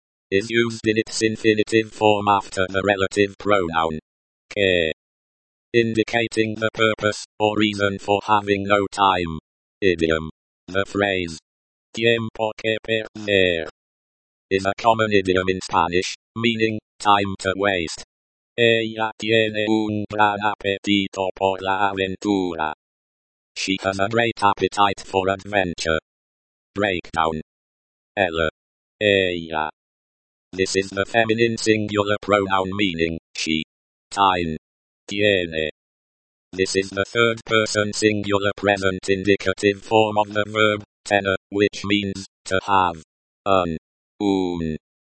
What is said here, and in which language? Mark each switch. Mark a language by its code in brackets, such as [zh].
[en] Is used in its infinitive form after the relative pronoun. Que. Indicating the purpose or reason for having no time. Idiom. The phrase. [es] Tiempo que perder. [en] Is a common idiom in Spanish, meaning, time to waste. [es] Ella tiene un gran apetito por la aventura. [en] She has a great appetite for adventure. Breakdown. Ella. Ella. This is the feminine singular pronoun meaning, she. Time. Tiene. This is the third person singular present indicative form of the verb, tener, which means, to have. An. Un.